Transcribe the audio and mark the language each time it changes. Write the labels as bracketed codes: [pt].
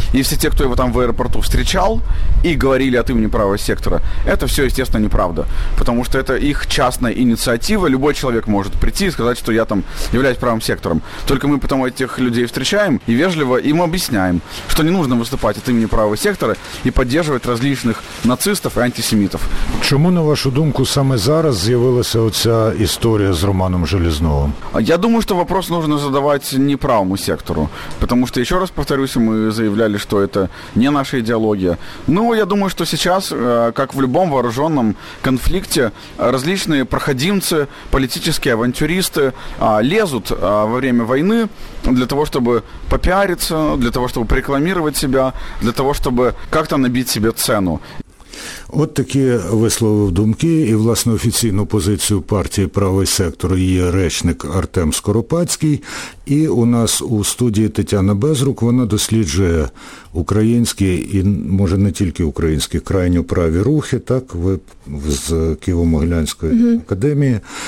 [ru] И все те, кто его там в аэропорту встречал и говорили от имени правого сектора, это все, естественно, неправда. Потому что это их частная инициатива. Любой человек может прийти и сказать, что я там являюсь правым сектором. Только мы потом этих людей встречаем и вежливо им объясняем, что не нужно выступать от имени правого сектора и поддерживать различных нацистов и антисемитов. [uk] Чому, на вашу думку, саме зараз з'явилася оця історія з Романом Железновым? [ru] Я думаю, что вопрос нужно задавать не правому сектору, потому что, еще раз повторюсь, мы заявляли, что это не наша идеология. Но я думаю, что сейчас, как в любом вооруженном конфликте, различные проходимцы, политические авантюристы лезут во время войны для того, чтобы попиариться, для того, чтобы рекламировать себя, для того, чтобы как-то набить себе цену. [uk] От такі висловив думки і, власне, офіційну позицію партії «Правий сектор» її речник Артем Скоропадський. І у нас у студії Тетяна Безрук, вона досліджує українські і, може, не тільки українські, крайньо праві рухи, так, ви з Києво-Могилянської академії.